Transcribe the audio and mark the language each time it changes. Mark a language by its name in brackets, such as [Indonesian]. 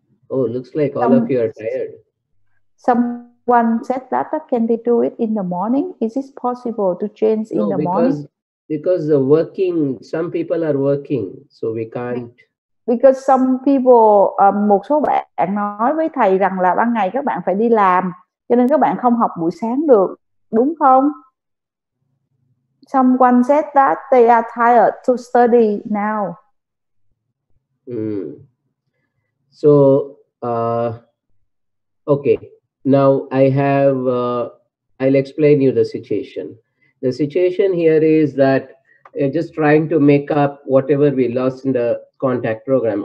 [English] Oh, looks like all of you are tired. Someone said that, can they do it in the morning? Is it possible to change in the morning? Because the working, some people are working, so we can't. Because some people, [Vietnamese] một số bạn nói với thầy rằng là ban ngày các bạn phải đi làm, cho nên các bạn không học buổi sáng được, đúng không? [English] Someone said that they are tired to study now. So, okay. Now I have, I'll explain you the situation. The situation here is that I'm just trying to make up whatever we lost in the contact program.